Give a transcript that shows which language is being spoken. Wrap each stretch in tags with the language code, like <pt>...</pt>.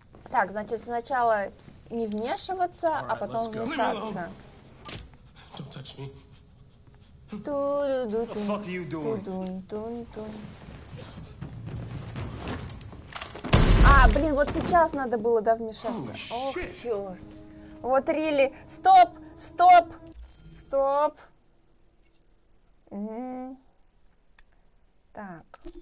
<ru>Так, значит, сначала не вмешиваться, right, а потом вмешаться.</ru> <en>Don't touch me. What the fuck are you doing? Ту-дун-тун-тун. А,</en> <ru>блин, вот сейчас надо было, да, вмешаться. Ох, черт. Вот Рилли. Стоп! Стоп! Стоп! Так.</ru>